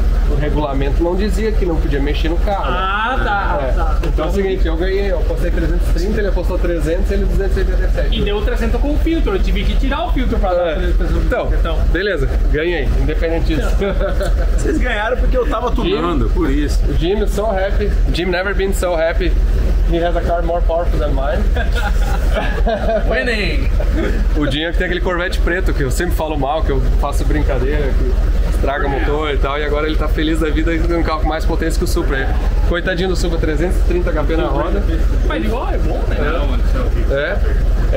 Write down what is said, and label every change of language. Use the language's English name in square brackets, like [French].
[Portuguese] O regulamento não dizia que não podia mexer no carro. Ah, né? Tá. Então é o seguinte, eu ganhei, eu postei 330, ele apostou 300, ele 287. E deu 300 com o filtro, eu tive que tirar o filtro pra dar 300. Então, beleza, ganhei, independente disso. Vocês ganharam porque eu tava tunando, por isso. [English] O Jim is so happy, Jim never been so happy. He has a car more powerful than mine. Winning! [Portuguese] O Jim é que tem aquele Corvette preto, que eu sempre falo mal, que eu faço brincadeira, que... Traga motor e tal, e agora ele tá feliz da vida com um carro com mais potência que o Supra. Coitadinho do Supra, 330 HP na roda. Mas igual, é bom, né? É. É.